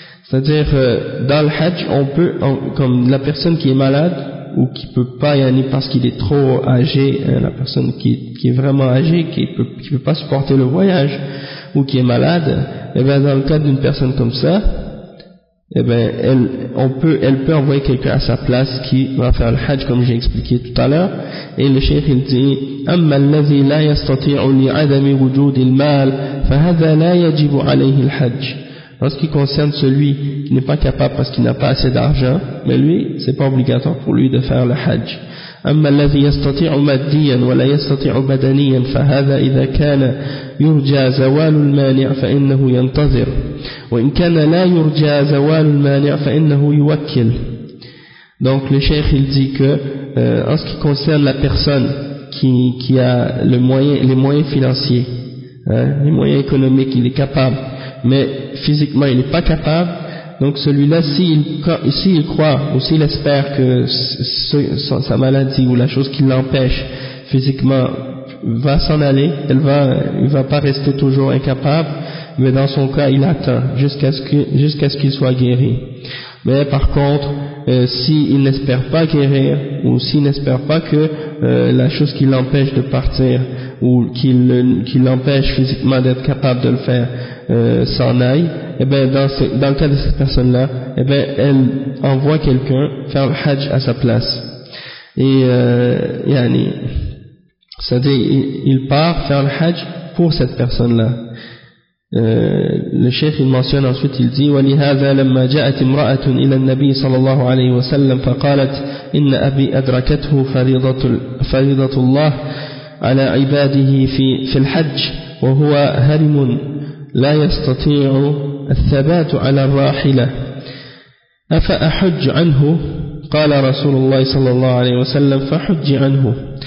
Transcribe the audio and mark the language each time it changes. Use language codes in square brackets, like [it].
[fr] C'est-à-dire dans le hajj on peut, comme la personne qui est malade ou qui peut pas y aller parce qu'il est trop âgé, la personne qui est vraiment âgée qui peut pas supporter le voyage ou qui est malade, et bien dans le cas d'une personne comme ça, et bien elle peut envoyer quelqu'un à sa place qui va faire le hajj comme j'ai expliqué tout à l'heure. Et le cheikh il dit [ar] أما الذي لا يستطيع لعدم وجود المال فهذا لا يجب عليه الحج. [fr] En ce qui concerne celui qui n'est pas capable parce qu'il n'a pas assez d'argent, mais lui, c'est pas obligatoire pour lui de faire le hajj. [ar] أما الذي يستطيع ماديا ولا يستطيع بدنيا فهذا إذا كان يرجى زوال المانع فإنه ينتظر، وإن كان لا يرجى زوال المانع فإنه يوكل. [fr] Donc le cheikh il dit que en ce qui concerne la personne qui a le moyen, les moyens financiers, hein, les moyens économiques, il est capable, mais physiquement il n'est pas capable. Donc celui-là, s'il croit ou s'il espère que sa maladie ou la chose qui l'empêche physiquement va s'en aller, il va pas rester toujours incapable, mais dans son cas il attend jusqu'à ce qu'il soit guéri. Mais par contre, s'il n'espère pas guérir ou s'il n'espère pas que la chose qui l'empêche de partir ou qui l'empêche physiquement d'être capable de le faire s'en aille, eh ben dans le cas de cette personne-là, eh ben elle envoie quelqu'un faire le hajj à sa place. Et yani, c'est-à-dire il part faire le hajj pour cette personne-là. Le cheikh il mentionne ensuite, il dit: [ar] ولهذا لما جاءت امرأة إلى النبي صلى الله عليه وسلم فقالت إن أبي أدركته فريضة الله على عباده في الحج وهو هرم لا يستطيع الثبات على الراحلة أفأحج عنه؟ قال رسول الله صلى الله عليه وسلم: فحج عنه.